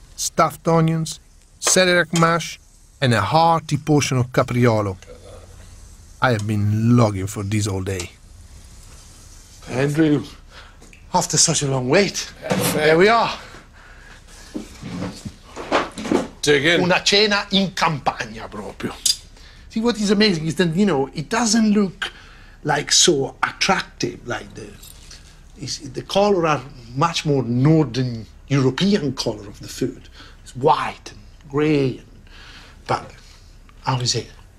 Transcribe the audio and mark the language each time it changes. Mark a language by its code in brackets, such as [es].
[en] Stuffed onions, celeriac mash, and a hearty portion of capriolo. I have been longing for this all day. Andrew, after such a long wait, there we are. Dig in. [it] Una cena in campagna, proprio. [en] See, what is amazing is that, you know, it doesn't look like so attractive, like the color are much more northern European color of the food. It's white and gray, but how is it?